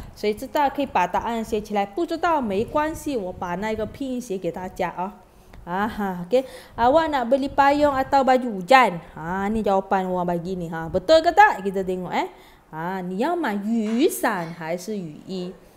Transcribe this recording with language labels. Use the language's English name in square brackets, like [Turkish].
[Chinese] 谁知道可以把答案写起来?不知道没关系, 我把那个拼音写给大家 啊, okay. [Malay] Awak nak beli payung atau baju hujan? Ha, ni jawapan orang bagi ni ha. Betul ke tak? Kita tengok eh. [Chinese] Ha, 你要买雨伞还是雨衣?